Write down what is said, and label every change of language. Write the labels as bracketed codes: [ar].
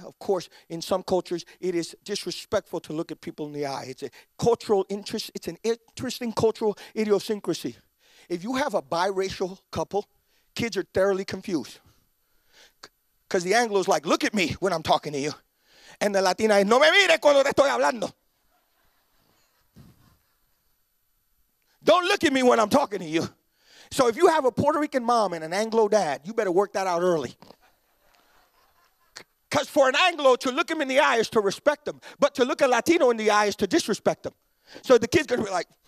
[en] Of course, in some cultures, it is disrespectful to look at people in the eye. It's a cultural interest. It's an interesting cultural idiosyncrasy. If you have a biracial couple, kids are thoroughly confused. Because the Anglo's like, look at me when I'm talking to you. And the Latina is, [es] no me mire cuando te estoy hablando. [en] Don't look at me when I'm talking to you. So if you have a Puerto Rican mom and an Anglo dad, you better work that out early. Because for an Anglo, to look him in the eye is to respect him. But to look a Latino in the eye is to disrespect him. So the kid's going to be like.